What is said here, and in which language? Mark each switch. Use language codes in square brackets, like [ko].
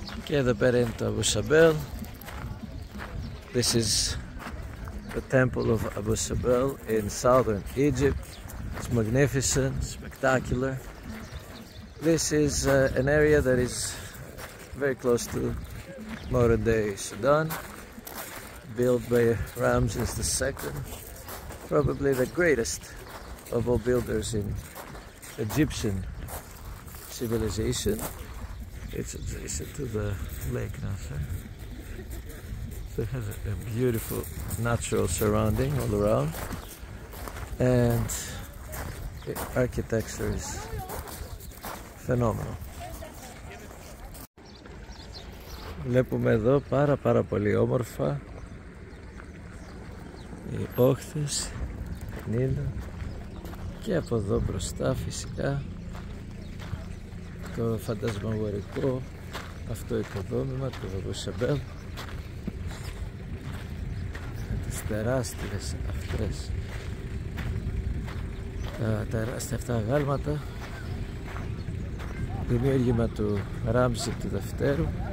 [el] Και εδώ πέρα είναι το Abu Sabel. [en] This is the Temple of Abu Sabel in southern Egypt. It's magnificent, spectacular. This is an area that is very close to modern-day Sudan, built by Ramses II, probably the greatest of all builders in Egyptian civilization. It's adjacent to the lake now, sir. So it has a beautiful natural surrounding all around, and the architecture is phenomenal. [el] Βλέπουμε εδώ πάρα πολύ όμορφα οι όχθες, την ύλη και από εδώ μπροστά φυσικά το φαντασμαγορικό αυτό οικοδόμημα του Abu Sabel με τις τεράστιες αυτές τα τεράστια αυτά αγάλματα δημιούργημα του Ράμζη του Δευτέρου.